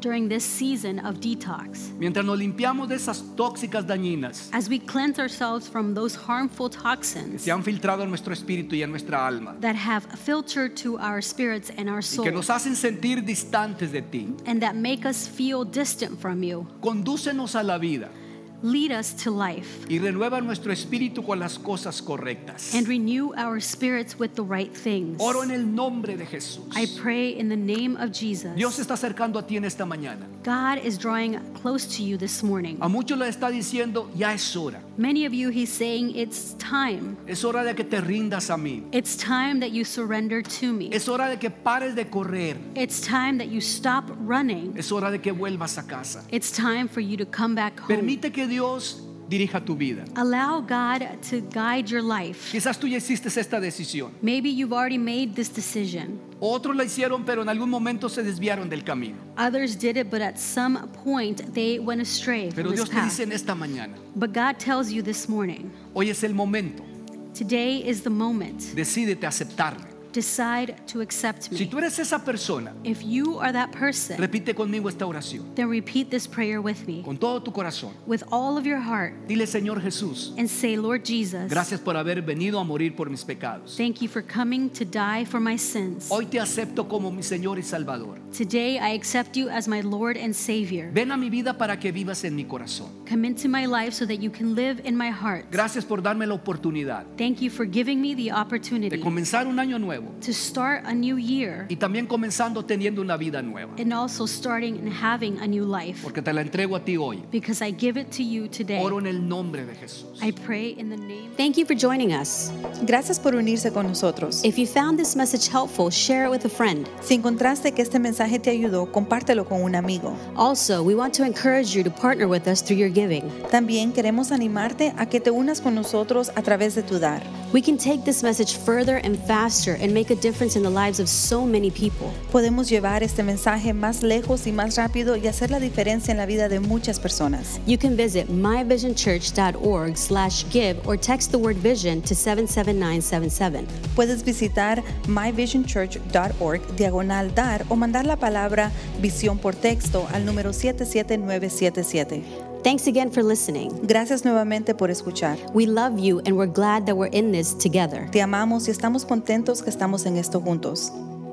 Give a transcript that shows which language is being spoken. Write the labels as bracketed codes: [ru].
[en] During this season of detox. [es] Mientras nos limpiamos de esas tóxicas dañinas. [en] As we cleanse ourselves from those harmful toxins. [es] Que se han filtrado en nuestro espíritu y en nuestra alma. [en] That have filtered to our spirits and our souls. [es] Y que nos hacen sentir distantes de ti. [en] And that make us feel distant from you. [es] Condúcenos a la vida. [en] Lead us to life. [es] Y renueva nuestro espíritu con las cosas correctas. [en] And renew our spirits with the right things. [es] Oro en el nombre de Jesús. [en] I pray in the name of Jesus. [es] Dios está acercando a ti en esta mañana. [en] God is drawing close to you this morning. [es] A muchos le está diciendo, ya es hora. [en] Many of you, he's saying, it's time. [es] Es hora de que te rindas a mí. [en] It's time that you surrender to me. [es] Es hora de que pares de correr. [en] It's time that you stop running. [es] Es hora de que vuelvas a casa. [en] It's time for you to come back home. [es] Permite que Dios dirija tu vida. [en] Allow God to guide your life. [es] Quizás tú ya hiciste esta decisión. [en] Maybe you've already made this decision. [es] Otros la hicieron, pero en algún momento se desviaron del camino. [en] Others did it, but at some point they went astray. [es] Pero Dios te dice en esta mañana. [en] But God tells you this morning. [es] Hoy es el momento. [en] Today is the moment. [es] Decídete a aceptarme. [en] Decide to accept me. [es] Si tú eres esa persona, [en] if you are that person, [es] repite conmigo esta oración. [en] Then repeat this prayer with me. [es] Con todo tu corazón. [en] With all of your heart. [es] Dile, Señor Jesús. [en] And say, Lord Jesus. [es] Gracias por haber venido a morir por mis pecados. [en] Thank you for coming to die for my sins. [es] Hoy te acepto como mi Señor y Salvador. [en] Today I accept you as my Lord and Savior. [es] Ven a mi vida para que vivas en mi corazón. [en] Come into my life so that you can live in my heart. [es] Gracias por darme la oportunidad. [en] Thank you for giving me the opportunity. [es] De comenzar un año nuevo. [en] To start a new year. [es] Y también comenzando teniendo una vida nueva. [en] And also starting and having a new life. [es] Porque te la entrego a ti hoy. [en] Because I give it to you today. [es] Oro en el nombre de Jesús. [en] I pray in the name. Thank you for joining us. [es] Gracias por unirse con nosotros. [en] If you found this message helpful, share it with a friend. [es] Si encontraste que este mensaje te ayudó, compártelo con un amigo. [en] Also, we want to encourage you to partner with us through your giving. [es] También queremos animarte a que te unas con nosotros a través de tu dar. [en] We can take this message further and faster and make a difference in the lives of so many people. [es] Podemos llevar este mensaje más lejos y más rápido y hacer la diferencia en la vida de muchas personas. [en] You can visit myvisionchurch.org/give or text the word vision to 77977. [es] Puedes visitar myvisionchurch.org/dar o mandar la palabra visión por texto al número 77977. [en] Thanks again for listening. [es] Gracias nuevamente por escuchar. [en] We love you and we're glad that we're in this together. [es] Te amamos y estamos contentos que estamos en esto juntos.